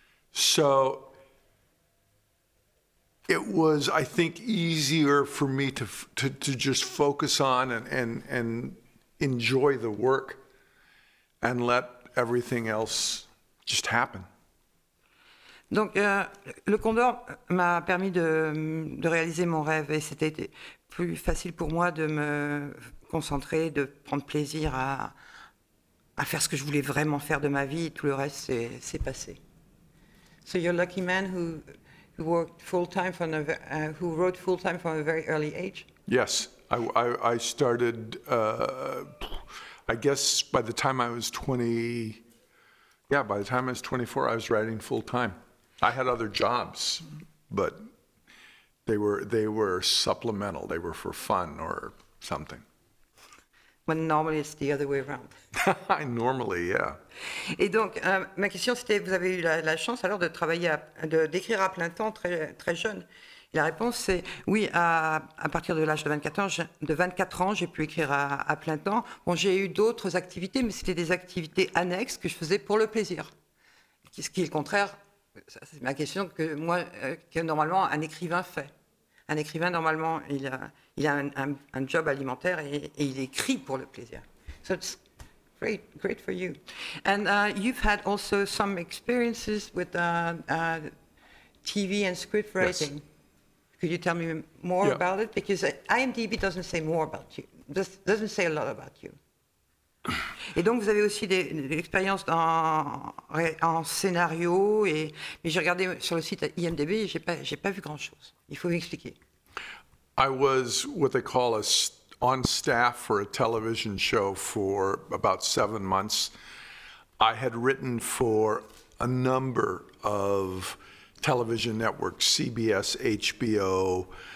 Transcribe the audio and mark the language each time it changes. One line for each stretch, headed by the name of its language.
English: So it was, I think, easier for me to just focus on and enjoy the work and let everything else just happen.
French: Donc, le Condor m'a permis de réaliser mon rêve, et c'était plus facile pour moi de me concentrer, de prendre plaisir à faire ce que je voulais vraiment faire de ma vie. Tout le reste, c'est passé.
English: So you're a lucky man who worked full time from who wrote full time from a very early age. Yes, I started. I guess by the time I was 20, by the time I was 24, I was writing full time. I had other jobs, but they were supplemental. They were for fun or something. When normally it's the other way around. Normally, yeah.
French: Et donc, ma question c'était, vous avez eu la chance alors de travailler, d'écrire à plein temps très très jeune. Et la réponse c'est oui, à partir de l'âge de 24 ans, j'ai pu écrire à plein temps. Bon, j'ai eu d'autres activités, mais c'était des activités annexes que je faisais pour le plaisir. Ce qui est le contraire. C'est ma question que normalement un écrivain fait. Un écrivain normalement il a un job alimentaire et il écrit pour le plaisir.
English: So it's great for you. And you've had also some experiences with TV and script writing. Yes. Could you tell me more about it? Because IMDb doesn't say more about you. Doesn't say a lot about you.
French: Et donc, vous avez aussi des expériences en scénario. Mais j'ai regardé sur le site IMDb et j'ai pas vu grand-chose. Il faut m'expliquer.
English: I was what they call on staff for a television show for about 7 months. I had written for a number of television networks, CBS, HBO.